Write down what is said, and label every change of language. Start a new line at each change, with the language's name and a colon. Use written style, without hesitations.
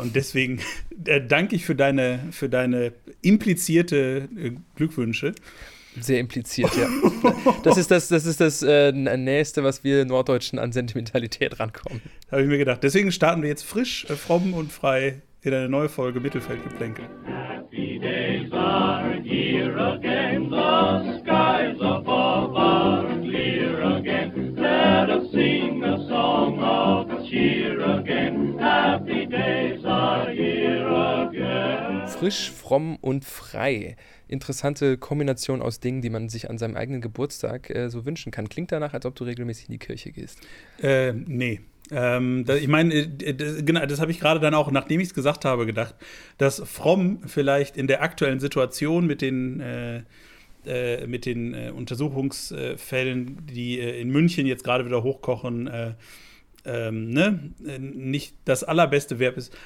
German: Und deswegen danke ich für deine implizierte Glückwünsche. Sehr impliziert, ja. Das ist das Nächste, was wir Norddeutschen an Sentimentalität rankommen. Habe ich mir gedacht. Deswegen starten wir jetzt frisch, fromm und frei in eine neue Folge Mittelfeldgeplänkel.
English: Happy days are here again, the skies above are clear again. Let us sing a song of cheer again. Happy days are here again.
German: Frisch, fromm und frei. Interessante Kombination aus Dingen, die man sich an seinem eigenen Geburtstag so wünschen kann. Klingt danach, als ob du regelmäßig in die Kirche gehst. Nee. Ich meine, genau, das habe ich gerade dann auch, nachdem ich es gesagt habe, gedacht, dass fromm vielleicht in der aktuellen Situation mit den Untersuchungsfällen, die in München jetzt gerade wieder hochkochen, ne, nicht das allerbeste Verb ist.